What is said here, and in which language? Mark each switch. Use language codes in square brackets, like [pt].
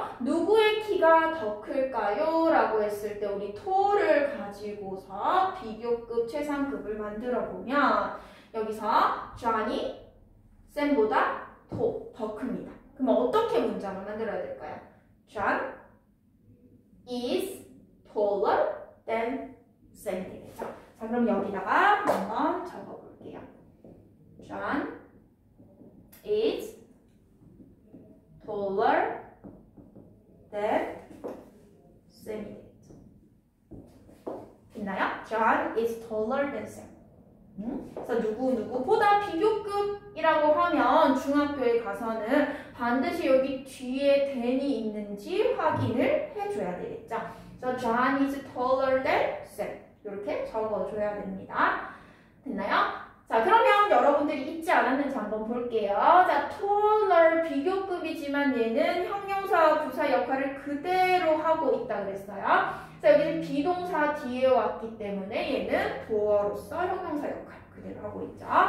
[ko] 누구의 키가 더 클까요? 라고 했을 때 우리 토를 가지고서 비교급, 최상급을 만들어보면 여기서 존이 쌤보다 토 더 큽니다. 그럼 어떻게 문장을 만들어야 될까요? [en] John is taller than Sam [ko] 되겠죠? 자, 그럼 여기다가 한번 적어볼게요. [en] John is taller than Sam. [ko] 있나요? [en] John is taller than Sam. 응? [ko] 그래서 누구누구보다 비교급이라고 하면 중학교에 가서는 반드시 여기 뒤에 댄이 있는지 확인을 해줘야 되겠죠. 그래서 [en] John is taller than Sam. [ko] 이렇게 적어줘야 됩니다. 됐나요? 자, 그러면 여러분들이 잊지 않았는지 한번 볼게요. 자, taller 비교급이지만 얘는 형용사와 부사 역할을 그대로 하고 있다 그랬어요. 자, 여기는 비동사 뒤에 왔기 때문에 얘는 도어로서 형용사 역할 그대로 하고 있죠.